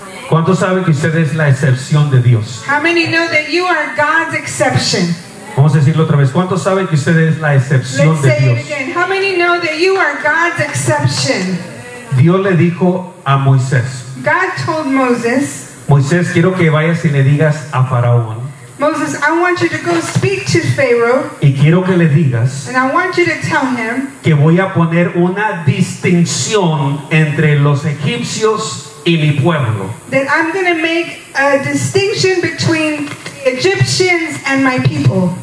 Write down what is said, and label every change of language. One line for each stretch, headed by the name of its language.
Spanish: ¿Cuántos saben que usted es la excepción de Dios?
English: How many know that you are God's exception?
Spanish: Vamos a decirlo otra vez. ¿Cuántos saben que usted es la excepción de Dios?
English: Let's say it again. How many know that you are God's exception?
Spanish: Dios le dijo a Moisés.
English: God told Moses.
Spanish: Moisés, quiero que vayas y le digas a Faraón.
English: Moses, I want you to go speak to Pharaoh.
Spanish: Y quiero que le digas.
English: And I want you to tell him.
Spanish: Que voy a poner una distinción entre los egipcios y mi pueblo.
English: That I'm going to make a distinction between the Egyptians and my people.